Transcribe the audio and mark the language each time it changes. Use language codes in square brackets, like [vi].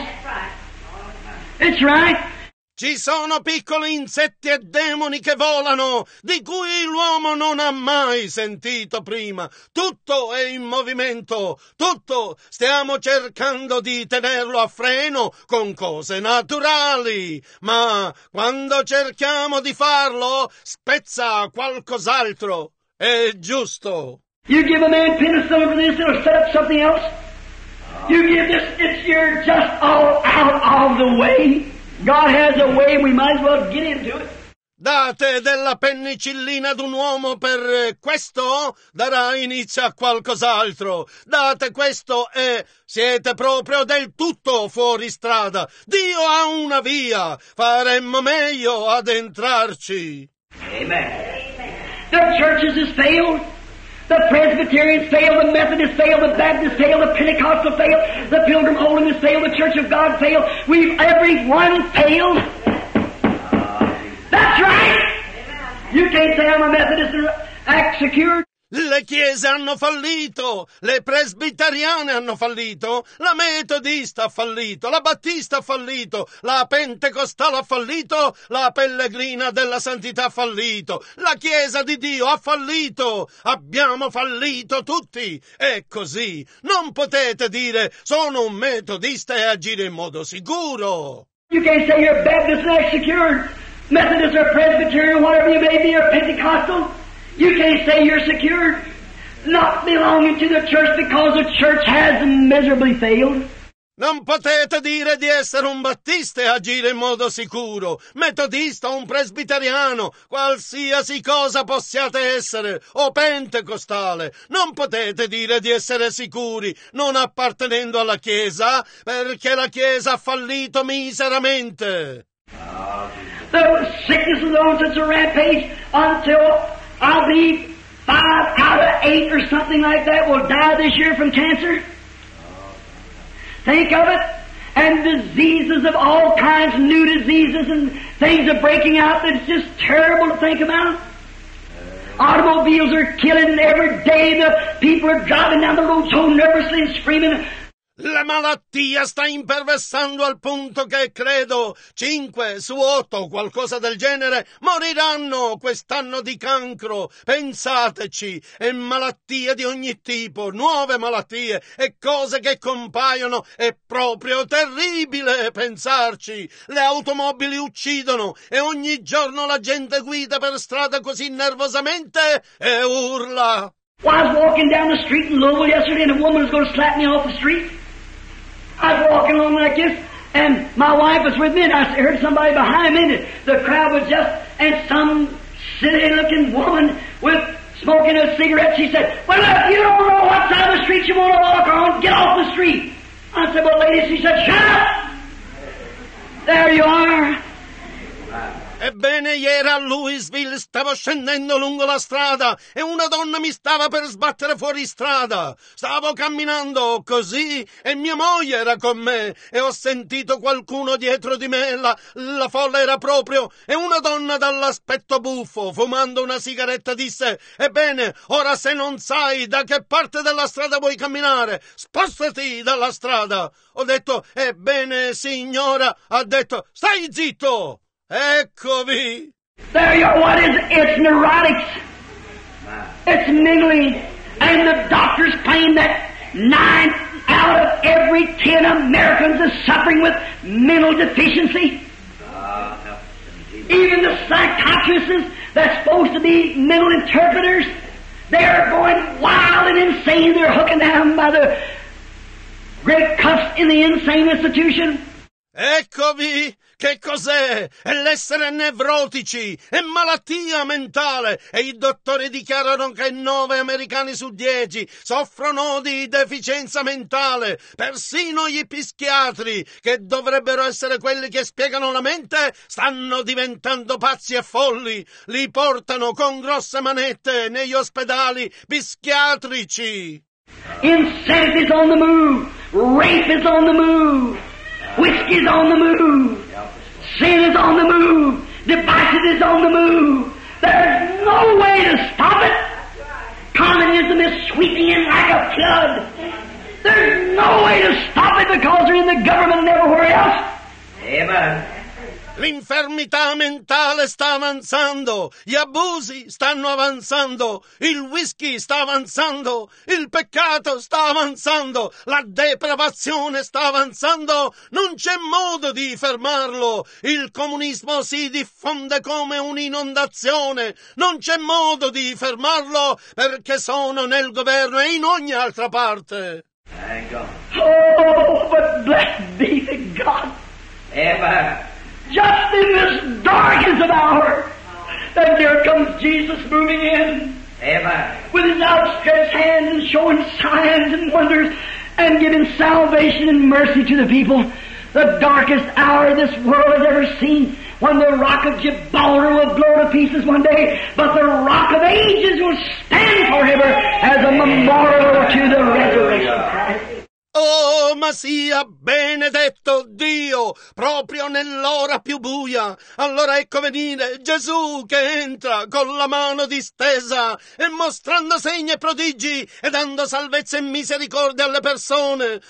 [en] That's right. It's right. [it] Ci sono piccoli insetti e demoni che volano, di cui l'uomo non ha mai sentito prima. Tutto è in movimento, tutto. Stiamo cercando di tenerlo a freno con cose naturali. Ma quando cerchiamo di farlo, spezza qualcos'altro. È giusto. [en] You give a man penicillin for this, it'll set up something else. You give this, it's here just all out of the way. God has a way, we might as well get into it. [it] Date della penicillina ad un uomo per questo, darà inizio a qualcos'altro. Date questo e siete proprio del tutto fuori strada. Dio ha una via, faremmo meglio ad entrarci. [en] Amen. The churches has failed. The Presbyterians failed, the Methodists failed, the Baptists failed, the Pentecostal failed, the Pilgrim Holiness failed, the Church of God failed. We've everyone failed. That's right. You can't say I'm a Methodist or act secure. [it] Le chiese hanno fallito, le presbiteriane hanno fallito, la metodista ha fallito, la battista ha fallito, la pentecostale ha fallito, la pellegrina della santità ha fallito, la chiesa di Dio ha fallito, abbiamo fallito tutti, è così. Non potete dire sono un metodista e agire in modo sicuro. [en] You can't say you're Baptist, not secure, Methodist or Presbyterian, whatever you may be, or Pentecostal. You can't say you're secure, not belonging to the church, because the church has miserably failed. [it] Non potete dire di essere un battista e agire in modo sicuro, metodista o un presbiteriano, qualsiasi cosa possiate essere, o pentecostale. Non potete dire di essere sicuri non appartenendo alla Chiesa, perché la Chiesa ha fallito miseramente. [en] The sickness is on such a rampage until I'll be 5 out of 8 or something like that will die this year from cancer. Think of it. And diseases of all kinds, new diseases and things are breaking out. It's just terrible to think about. Automobiles are killing every day. The people are driving down the road so nervously and screaming. [it] La malattia sta imperversando al punto che, credo, 5 su 8, qualcosa del genere, moriranno quest'anno di cancro. Pensateci, e malattie di ogni tipo, nuove malattie e cose che compaiono, è proprio terribile pensarci. Le automobili uccidono e ogni giorno la gente guida per strada così nervosamente e urla. [en] I was walking down the street in Louisville yesterday and a woman was going to slap me off the street. I was walking along like this, and my wife was with me, and I heard somebody behind me, and the crowd was just, and some silly-looking woman with smoking a cigarette, she said, well, if you don't know what side of the street you want to walk on, get off the street. I said, well, lady, she said, shut up. There you are. [it] Ebbene, ieri a Louisville stavo scendendo lungo la strada e una donna mi stava per sbattere fuori strada. Stavo camminando così e mia moglie era con me e ho sentito qualcuno dietro di me. La folla era proprio e una donna dall'aspetto buffo, fumando una sigaretta, disse: ebbene, ora se non sai da che parte della strada vuoi camminare, spostati dalla strada. Ho detto: ebbene, signora. Ha detto: stai zitto. Eccovi. [en] There you are. What is it? It's neurotics. It's mentally. And the doctors claim that 9 out of every 10 Americans are suffering with mental deficiency. Even the psychiatrists that's supposed to be mental interpreters, they're going wild and insane. They're hooking down by the red cuffs in the insane institution. [it] Eccovi. Che cos'è? È l'essere nevrotici, è malattia mentale. E i dottori dichiarano che 9 americani su 10 soffrono di deficienza mentale. Persino gli psichiatri, che dovrebbero essere quelli che spiegano la mente, stanno diventando pazzi e folli. Li portano con grosse manette negli ospedali psichiatrici. [en] Insanity is on the move, rape is on the move, whiskey is on the move. Sin is on the move. Divisive is on the move. There's no way to stop it. Communism is sweeping in like a flood. There's no way to stop it because they're in the government and everywhere else. Amen. [it] L'infermità mentale sta avanzando, gli abusi stanno avanzando, il whisky sta avanzando, il peccato sta avanzando, la depravazione sta avanzando, non c'è modo di fermarlo. Il comunismo si diffonde come un'inondazione, non c'è modo di fermarlo perché sono nel governo e in ogni altra parte. [en] Oh, but blessed be the God ever. Just in this darkest of hour, and there comes Jesus moving in. Amen. With his outstretched hands and showing signs and wonders and giving salvation and mercy to the people. The darkest hour this world has ever seen, when the rock of Gibraltar will blow to pieces one day, but the rock of ages will stand forever as a memorial to the resurrection Christ. [it] Oh, ma sia benedetto Dio, proprio nell'ora più buia. Allora ecco venire Gesù che entra con la mano distesa e mostrando segni e prodigi e dando salvezza e misericordia alle persone.